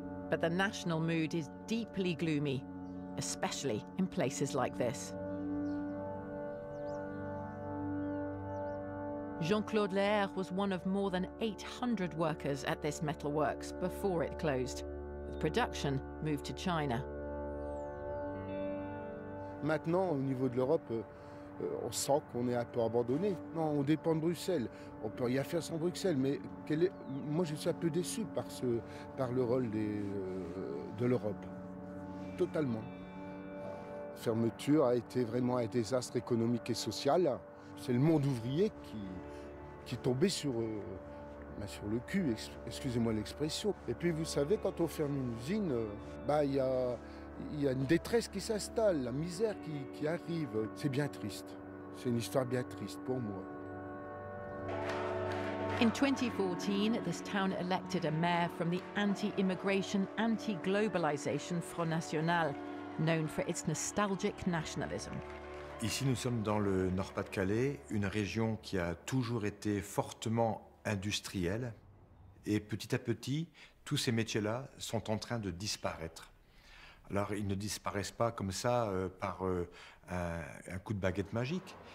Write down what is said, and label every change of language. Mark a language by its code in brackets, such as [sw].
[en] But the national mood is deeply gloomy, especially in places like this. Jean-Claude Lehaire was one of more than 800 workers at this metalworks before it closed. The production moved to China. [fr] Maintenant, au niveau de l'Europe, on sent qu'on est un peu abandonné. Non, on dépend de Bruxelles. On peut rien faire sans Bruxelles. Mais quel est... moi, je suis un peu déçu par le rôle de l'Europe. Totalement. Fermeture a été vraiment un désastre économique et social. C'est le monde ouvrier qui est tombé sur le cul, excusez-moi l'expression. Et puis, vous savez, quand on ferme une usine, il y a une détresse qui s'installe, la misère qui arrive. C'est bien triste. C'est une histoire bien triste pour moi. [en] In 2014, this town elected a mayor from the anti-immigration, anti-globalization Front National, known for its nostalgic nationalism. [fr] Ici, nous sommes dans le Nord-Pas-de-Calais, une région qui a toujours été fortement industrielle. Et petit à petit, tous ces métiers-là sont en train de disparaître. Alors, ils ne disparaissent pas comme ça par un coup de baguette magique.